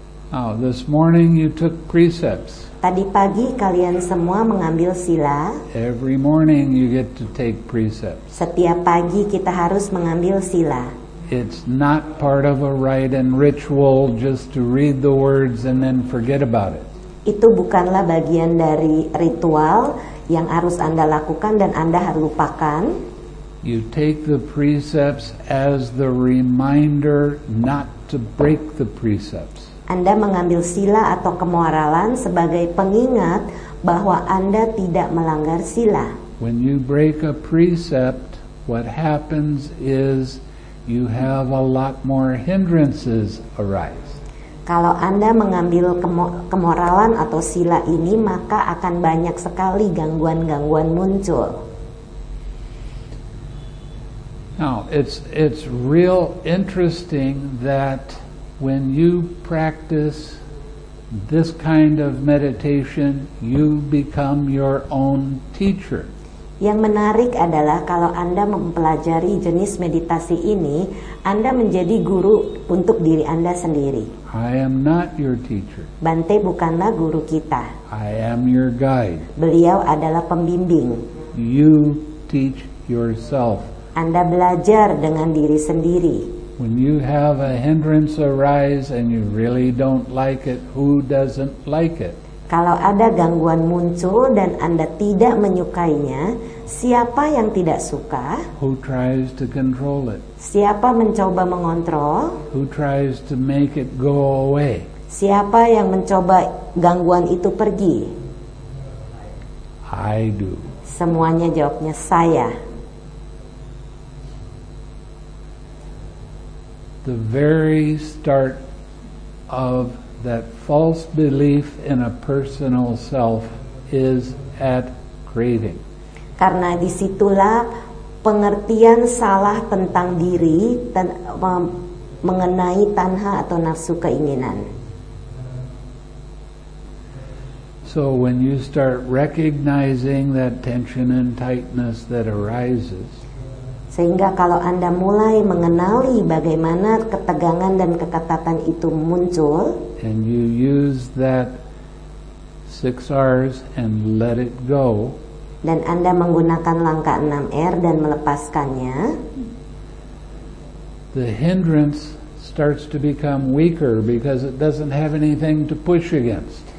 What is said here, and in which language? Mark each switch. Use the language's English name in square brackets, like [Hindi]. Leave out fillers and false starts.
[English] Oh, this morning you took precepts. [Indonesian] Tadi pagi kalian semua mengambil sila. [English] Every morning you get to take precepts. [Indonesian] Setiap pagi kita harus mengambil sila. [English] It's not part of a rite and ritual just to read the words and then forget about it. [Indonesian] Itu bukanlah bagian dari ritual yang harus Anda lakukan dan Anda harus lupakan. [English] You take the precepts as the reminder not to break the precepts. [Indonesian] Anda mengambil sila atau kemoralan sebagai pengingat bahwa Anda tidak melanggar sila. [English] When you break a precept, what happens is you have a lot more hindrances arise. [Indonesian] Kalau Anda mengambil kemoralan atau sila ini, maka akan banyak sekali gangguan-gangguan muncul. [English] Now, it's real interesting that when you practice this kind of meditation, you become your own teacher. [Indonesian] Yang menarik adalah kalau Anda mempelajari jenis meditasi ini, Anda menjadi guru untuk diri Anda sendiri. [English] I am not your teacher. [Indonesian] Bante bukanlah guru kita. [English] I am your guide. [Indonesian] Beliau adalah pembimbing. [English] You teach yourself. [Indonesian] Anda belajar dengan diri sendiri. [English] When you have a hindrance arise and you really don't like it, who doesn't like it? [Indonesian] Kalau ada gangguan muncul dan Anda tidak menyukainya, siapa yang tidak suka? [English] Who tries to control it? [Indonesian] Siapa mencoba mengontrol? [English] Who tries to make it go away? [Indonesian] Siapa yang mencoba gangguan itu pergi? [English] I do. [Indonesian] Semuanya jawabnya saya. [English] The very start of that false belief in a personal self is at craving. [Indonesian] Karena disitulah pengertian salah tentang diri mengenai tanha atau nafsu keinginan. [English] So when you start recognizing that tension and tightness that arises, [Indonesian] sehingga kalau Anda mulai mengenali bagaimana ketegangan dan keketatan itu muncul, [English] and you use that 6 R's and let it go, [Indonesian] dan Anda menggunakan langkah 6 R dan melepaskannya, [English] the hindrance starts to become weaker because it doesn't have anything to push against.